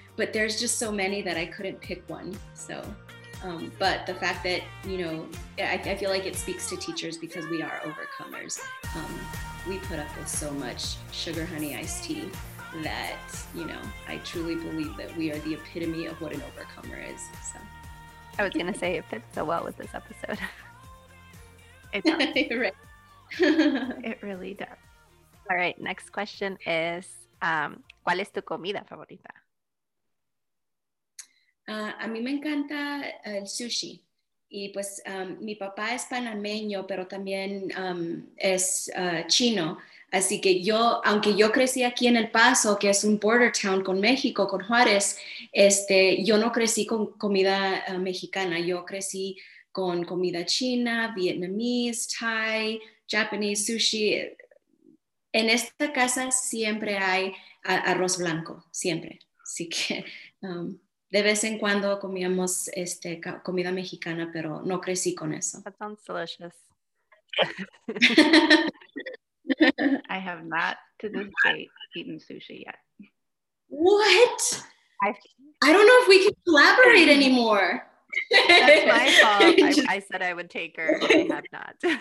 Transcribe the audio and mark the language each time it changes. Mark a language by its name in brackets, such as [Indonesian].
[English] But there's just so many that I couldn't pick one. So, but the fact that, you know, I feel like it speaks to teachers, because we are overcomers. We put up with so much sugar, honey, iced tea that, you know, I truly believe that we are the epitome of what an overcomer is. So, I was gonna say it fits so well with this episode. It does. Right. It really does. All right, next question is, [Spanish] ¿cuál es tu comida favorita? A mí me encanta el sushi, Y pues mi papá es panameño, pero también es chino. Así que yo, aunque yo crecí aquí en El Paso, que es un border town con México, con Juárez, yo no crecí con comida mexicana. Yo crecí con comida china, Vietnamese, Thai, Japanese, sushi. En esta casa siempre hay arroz blanco, siempre. Así que de vez en cuando comíamos comida mexicana, pero no crecí con eso. [English] That sounds delicious. I have not to this day eaten sushi yet. What? I don't know if we can collaborate anymore. That's my fault. I said I would take her, but I have not.